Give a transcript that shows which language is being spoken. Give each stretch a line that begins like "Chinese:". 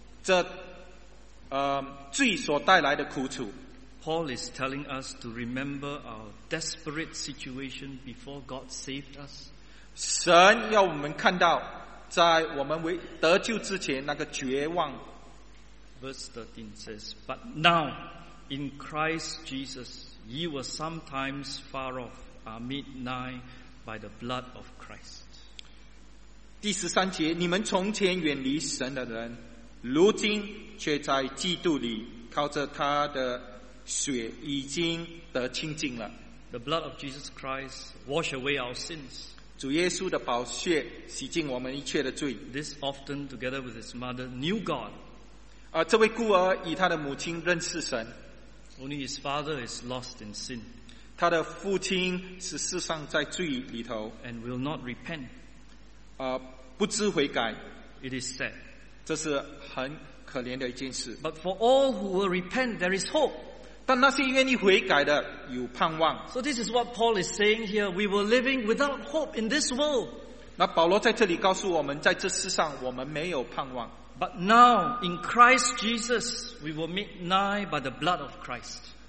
Chinese: 这罪所带来的苦楚。
English: Paul is telling us to remember our desperate situation before God saved us.
Chinese: 神要我们看到在我们得救之前那个绝望。
English: Verse 13 says, But now, in Christ Jesus, ye were sometimes far off, are made nigh by the blood of Christ.
Chinese: 第十三节, 你们从前远离神的人, 如今却在基督里, 靠着他的
English: The blood of Jesus Christ wash away our sins.
Chinese: 主耶稣的宝血洗净我们一切的罪。
English: This often together with his mother knew God.
Chinese: 这位孤儿与他的母亲认识神。
English: Only his father is lost in sin.
Chinese: 他的父亲是世上在罪里头。
English: And will not repent.
Chinese: 不知悔改。
English: It is sad.
Chinese: 这是很可怜的一件事。
English: But for all who will repent, there is hope.
Chinese: 但那些愿意悔改的有盼望。
English: So this is what Paul is saying here. We were living without hope in this world.
Chinese: 那保罗在这里告诉我们在这世上我们没有盼望。
English: But now in Christ Jesus we were made nigh by the blood of Christ.